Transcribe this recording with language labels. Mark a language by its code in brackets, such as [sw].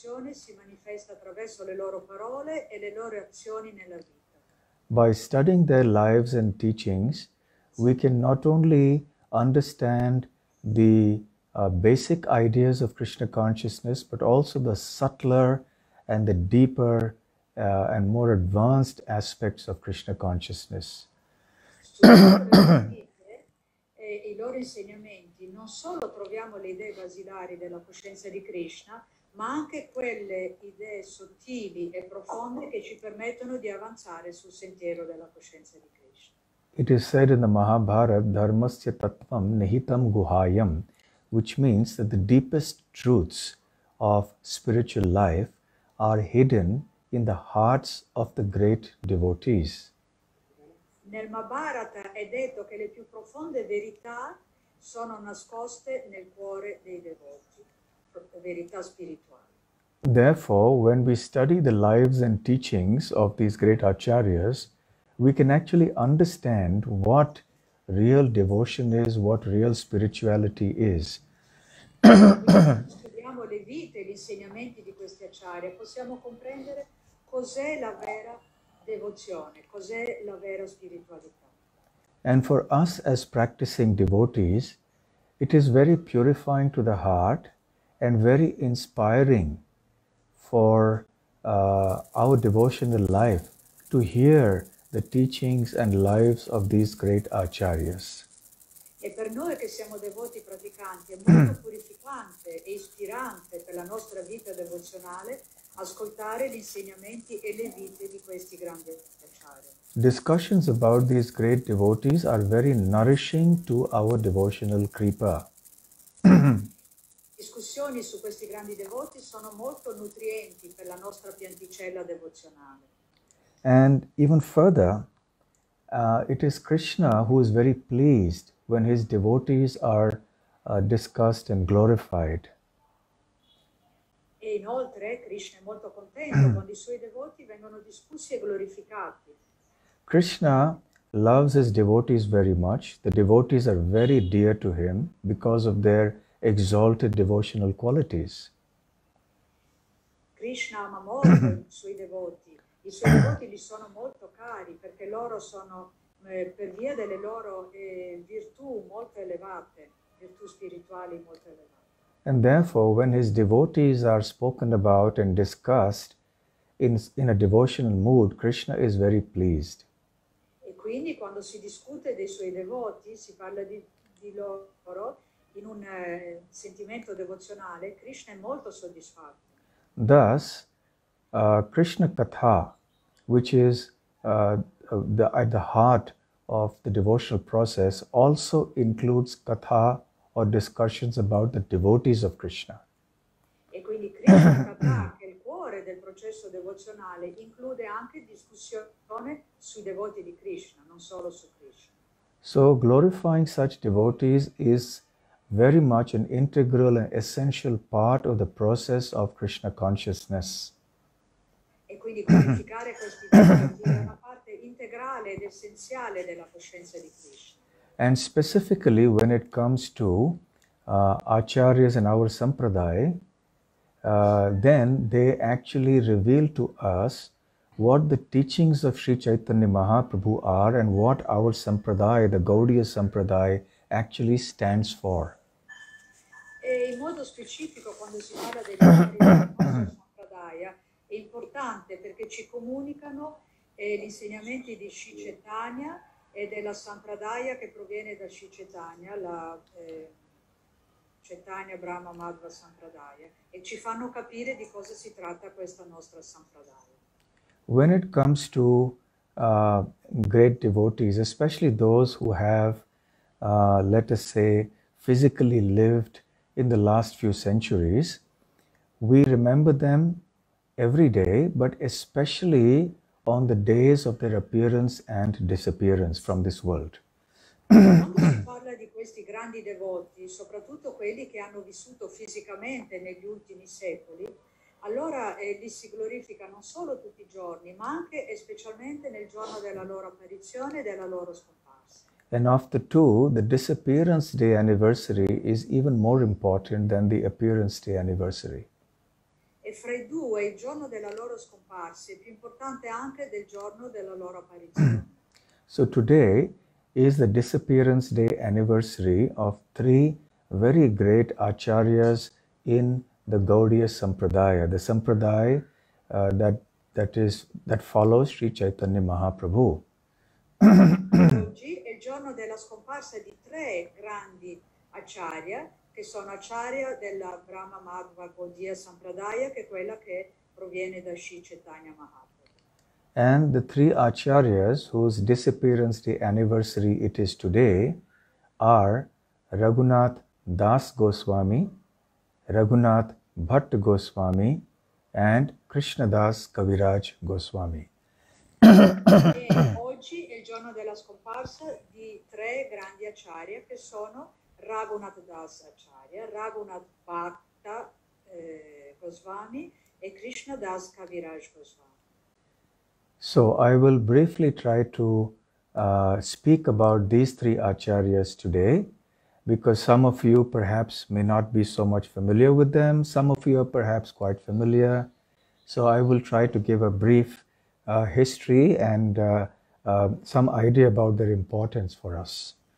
[it] Si manifesta attraverso le loro parole e le loro azioni nella vita. [en] By studying their lives and teachings, we can not only understand the basic ideas of Krishna consciousness, but also the subtler and the deeper and more advanced aspects of Krishna consciousness. [it] I loro insegnamenti non solo troviamo le idee basilari della coscienza di Krishna, ma anche quelle idee sottili e profonde che ci permettono di avanzare sul sentiero della coscienza di Krishna. [en] It is said in the Mahabharata, [sa] dharmasya tattvam nihitam guhayam, [en] which means that the deepest truths of spiritual life are hidden in the hearts of the great devotees. [it] Nel Mahabharata è detto che le più profonde verità sono nascoste nel cuore dei devoti. Verità spirituale. [en] Therefore, when we study the lives and teachings of these great acharyas, we can actually understand what real devotion is, what real spirituality is. [it] Studiamo le vite, gli insegnamenti di questi acharya, possiamo comprendere cos'è la vera devozione, cos'è la vera spiritualità. [en] And for us as practicing devotees, it is very purifying to the heart and very inspiring for our devotional life to hear the teachings and lives of these great acharyas. [it] E per noi che siamo devoti praticanti è molto purificante e ispirante per la nostra vita devozionale ascoltare gli insegnamenti e le vite di questi grandi acciari. [en] Discussions about these great devotees are very nourishing to our devotional kripa. [it] Discussioni su questi grandi devoti sono molto nutrienti per la nostra pianticella devozionale. [en] And even further, it is Krishna who is very pleased when his devotees are discussed and glorified. [it] E inoltre Krishna è molto contento quando i suoi devoti vengono discussi e glorificati. [en] Krishna loves his devotees very much. The devotees are very dear to him because of their exalted devotional qualities. [it] Krishna ama molto i suoi devoti. I suoi devoti gli sono molto cari perché loro sono per via delle loro virtù molto elevate, virtù spirituali molto elevate. [en] And therefore, when his devotees are spoken about and discussed in a devotional mood, Krishna is very pleased. [it] E quindi quando si discute dei suoi devoti, si parla di loro in un sentimento devozionale, Krishna è molto soddisfatto. [en] Thus, Krishna Katha, which is at the heart of the devotional process, also includes Katha or discussions about the devotees of Krishna. [it] E quindi Krishna Katha, che è il cuore del processo devozionale, include anche discussione sui devoti di Krishna, non solo su Krishna. [en] So glorifying such devotees is very much an integral and essential part of the process of Krishna consciousness. [it] E quindi glorificare questi devoti è una parte integrale ed essenziale della coscienza di Krishna. [en] And specifically when it comes to acharyas in our sampradaya, then they actually reveal to us what the teachings of Sri Chaitanya Mahaprabhu are and what our sampradaya, the Gaudiya sampradaya, actually stands for. [it] E in modo specifico quando si parla della sampradaya è importante perché ci comunicano gli insegnamenti di Sri Chaitanya e della sampradaya che proviene da Sri Chaitanya, la Chaitanya Brahma Madhva Sampradaya, e ci fanno capire di cosa si tratta questa nostra sampradaya. [en] When it comes to great devotees, especially those who have, let us say, physically lived in the last few centuries, we remember them every day, but especially on the days of their appearance and disappearance from this world. [it] Quando si parla di questi grandi devoti, soprattutto quelli che hanno vissuto fisicamente negli ultimi secoli, allora li si glorifica non solo tutti i giorni, ma anche e specialmente nel giorno della loro apparizione e della loro scomparsa. [en] And of the two, the disappearance day anniversary is even more important than the appearance day anniversary. [it] E fra i due, il giorno della loro scomparsa è più importante anche del giorno della loro apparizione. [en] So today is the disappearance day anniversary of three very great acharyas in the Gaudiya Sampradaya, the Sampradaya that follows Sri Chaitanya Mahaprabhu. [it] Oggi è il giorno della scomparsa di tre grandi acharya, che sono acharya della Brahma Madhva Gaudiya Sampradaya, che è quella che proviene da Sri Chaitanya Mahaprabhu. [en] And the three acharyas whose disappearance day anniversary it is today are Raghunath Dasa Goswami, Raghunath Bhat Goswami and Krishna Dasa Kaviraj Goswami. [it] E oggi è il giorno della scomparsa di tre grandi acharya che sono Raghunath Dasa Acharya, Raghunath Bhat Goswami e Krishna Dasa Kaviraj Goswami. [en] So I will briefly try to speak about these three acharyas today, because some of you perhaps may not be so much familiar with them, some of you are perhaps quite familiar. So I will try to give a brief history and some idea about their importance for us.